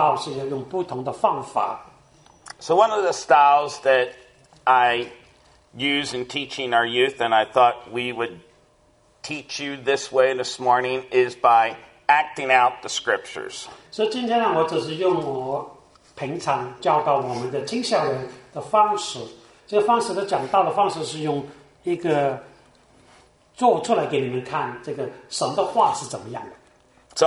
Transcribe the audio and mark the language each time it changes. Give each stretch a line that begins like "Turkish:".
Chinese: 因为我是一个神学院的老师，所以当我讲道的时候，我觉得讲道是有很多方式，因为教导是用不同的方法。
English: So one of the styles that I use in teaching our youth, and I thought we would teach you this way this morning, is by acting out the scriptures.
Chinese: 所以今天呢，我只是用我平常教导我们的听下人的方式，这个方式的讲道的方式是用一个做出来给你们看，这个神的话是怎么样的。
English: So